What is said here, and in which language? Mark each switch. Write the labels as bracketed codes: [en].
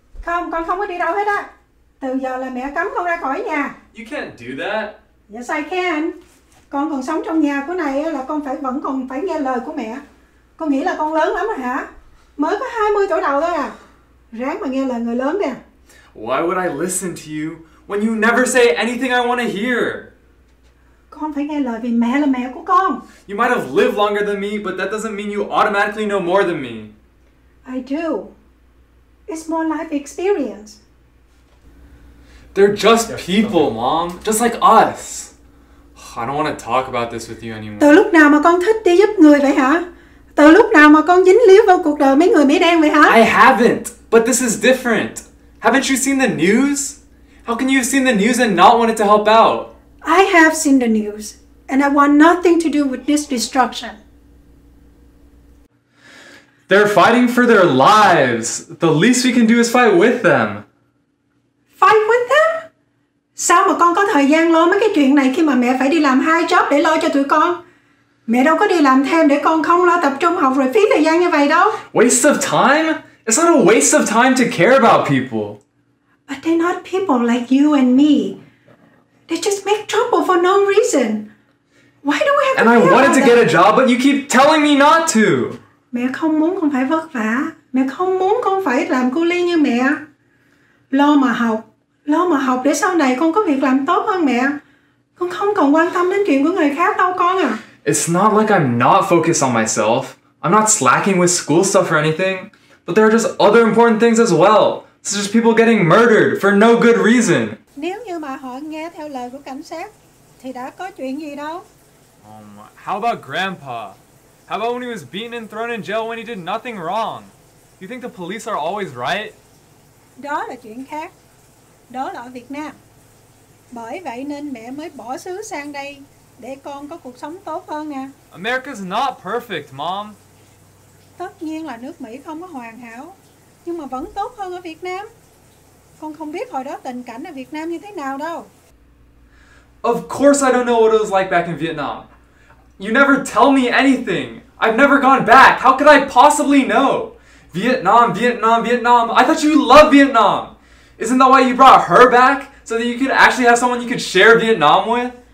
[vi] Không, con không có đi đâu hết á. Từ giờ là mẹ cấm con ra khỏi nhà. [en] You can't do that. Yes, I can. [vi] Con còn sống trong nhà của này là con phải vẫn còn phải nghe lời của mẹ. Con nghĩ là con lớn lắm rồi hả? Mới có 20 tuổi đầu thôi à. Ráng mà nghe lời người lớn đi. [en] Why would I listen to you when you never say anything I want to hear? [vi] Con phải nghe lời vì mẹ là mẹ của con. [en] You might have lived longer than me, but that doesn't mean you automatically know more than me. I do. It's more life experience. They're just people, Mom. Just like us. I don't want to talk about this with you anymore. [vi] Từ lúc nào mà con thích đi giúp người vậy hả? Từ lúc nào mà con dính líu vào cuộc đời mấy người Mỹ đen vậy hả? [en] I haven't. But this is different. Haven't you seen the news? How can you have seen the news and not wanted to help out? I have seen the news. And I want nothing to do with this destruction. They're fighting for their lives. The least we can do is fight with them. Fight with them? [vi] Sao mà con có thời gian lo mấy cái chuyện này khi mà mẹ phải đi làm hai job để lo cho tụi con? Mẹ đâu có đi làm thêm để con không lo tập trung học rồi phí thời gian như vậy đâu. [en] Waste of time? It's not a waste of time to care about people. But they're not people like you and me. They just make trouble for no reason. Why do we have to And I wanted to get a job, but you keep telling me not to. [vi] Mẹ không muốn con phải vất vả. Mẹ không muốn con phải làm cu li như mẹ. Lo mà học. Lo mà học để sau này con có việc làm tốt hơn mẹ. Con không còn quan tâm đến chuyện của người khác đâu con à. [en] It's not like I'm not focused on myself. I'm not slacking with school stuff or anything. but there are just other important things as well. Such as people getting murdered for no good reason. [vi] Nếu như mà họ nghe theo lời của cảnh sát, thì đã có chuyện gì đâu. [en] How about Grandpa? How about when he was beaten and thrown in jail when he did nothing wrong? You think the police are always right? [vi] Đó là chuyện khác. Đó là ở Việt Nam. Bởi vậy nên mẹ mới bỏ xứ sang đây để con có cuộc sống tốt hơn nha. [en] America's not perfect, Mom. [vi] Tất nhiên là nước Mỹ không có hoàn hảo, nhưng mà vẫn tốt hơn ở Việt Nam. Con không biết hồi đó tình cảnh ở Việt Nam như thế nào đâu. [en] Of course I don't know what it was like back in Vietnam. You never tell me anything. I've never gone back. How could I possibly know? Vietnam, Vietnam, Vietnam. I thought you loved Vietnam. Isn't that why you brought her back? So that you could actually have someone you could share Vietnam with?